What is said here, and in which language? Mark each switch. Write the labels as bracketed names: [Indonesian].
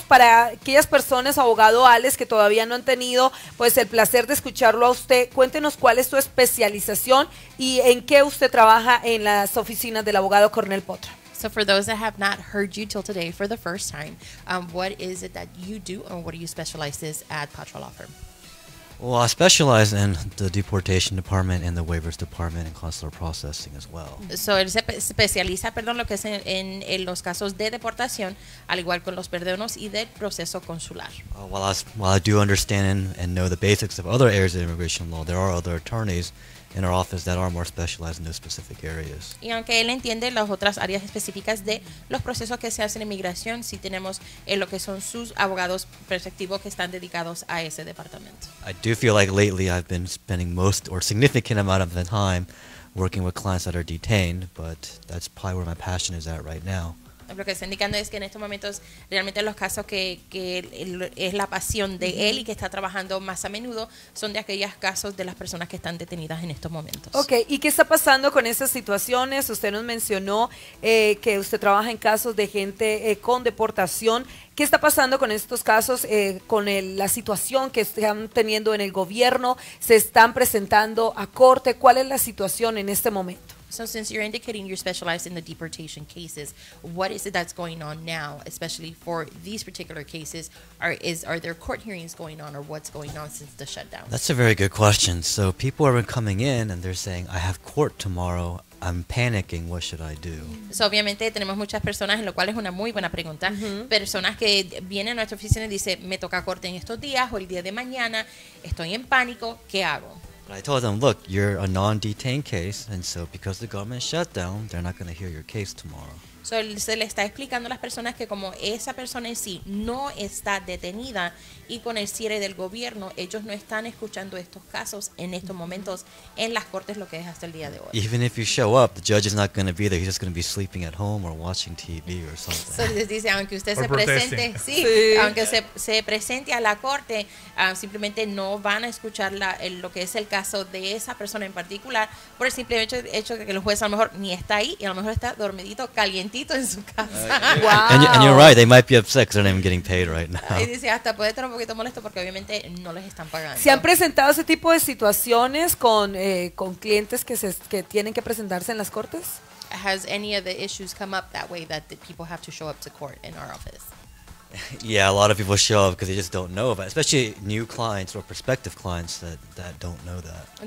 [Spanish] Para aquellas personas, abogado Alex, que todavía no han tenido pues el placer de escucharlo a usted, cuéntenos cuál es su especialidad y en qué usted trabaja en las oficinas del abogado Cornel Potra. [English] So for those that have not heard you till today for the first time, what is it that you do and what do you specialize in at Potra Law Firm? Well, I specialize in the deportation department and the waivers department and consular processing as well. [Spanish] So él se especializa, perdón, lo que es en los casos de deportación, al igual con los perdonos y del proceso consular. [English] While I do understand and know the basics of other areas of immigration law, there are other attorneys in our office that are more specialized in those specific areas. [Spanish] Y aunque él entiende las otras áreas específicas de los procesos que se hacen en inmigración, sí tenemos lo que son sus abogados perspectivos que están dedicados a ese departamento. [English] I do feel like lately I've been spending most or significant amount of the time working with clients that are detained, but that's probably where my passion is at right now. [Spanish] Lo que está indicando es que en estos momentos realmente los casos que es la pasión de él y que está trabajando más a menudo son de aquellos casos de las personas que están detenidas en estos momentos. Okay, ¿y qué está pasando con esas situaciones? Usted nos mencionó que usted trabaja en casos de gente con deportación. ¿Qué está pasando con estos casos, con la situación que están teniendo en el gobierno? ¿Se están presentando a corte? ¿Cuál es la situación en este momento? [English] So since you're indicating you're specialized in the deportation cases, what is it that's going on now, especially for these particular cases? Are there court hearings going on, or what's going on since the shutdown? That's a very good question. So people have been coming in and they're saying, I have court tomorrow. I'm panicking. What should I do? [Spanish] So obviamente tenemos muchas personas, en lo cual es una muy buena pregunta. Mm-hmm. Personas que vienen a nuestra oficina y dicen, me toca corte en estos días o el día de mañana. Estoy en pánico. ¿Qué hago? [English] But I told them, look, you're a non-detained case, and so because the government shut down, they're not going to hear your case tomorrow. [Spanish] So se le está explicando a las personas que como esa persona en sí no está detenida y con el cierre del gobierno, ellos no están escuchando estos casos en estos momentos en las cortes, lo que es hasta el día de hoy. [English] Even if you show up, the judge is not going to be there. He's just going to be sleeping at home or watching TV or something. [Spanish] So les dice, aunque usted se presente, sí, sí, aunque se presente a la corte, simplemente no van a escuchar lo que es el caso de esa persona en particular por el simple hecho de que el juez a lo mejor ni está ahí y a lo mejor está dormidito, caliente. [English] Wow. And you're right, they might be upset because they're not even getting paid right now. [Spanish] Y dice, hasta puede estar un poquito molesto porque obviamente no les están pagando. ¿Se han presentado ese tipo de situaciones con clientes que tienen que presentarse en las cortes? [English] Has any of the issues come up that way that the people have to show up to court in our office? Yeah, a lot of people show up because they just don't know about it, especially new clients or prospective clients that don't know that.